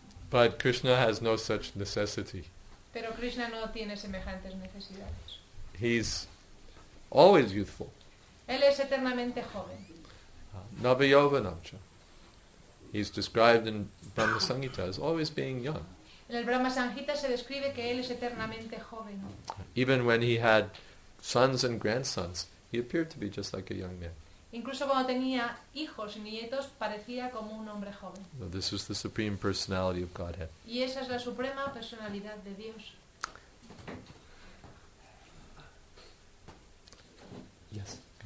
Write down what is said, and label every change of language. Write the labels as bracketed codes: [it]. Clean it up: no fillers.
[en] But Krishna has no such necessity. [es] Pero Krishna no tiene semejantes necesidades. [en] He's always youthful. [es] Él es eternamente joven. [sa] Navayovanamcha. [en] He's described in Brahma Sanghita as always being young. [es] En el Brahma Sanghita se describe que él es eternamente joven. [en] Even when he had sons and grandsons, he appeared to be just like a young man. [es] Incluso cuando tenía hijos y nietos, parecía como un hombre joven. [en] So this is the supreme personality of Godhead. [es] Y esa es la suprema personalidad de Dios. [en] Yes.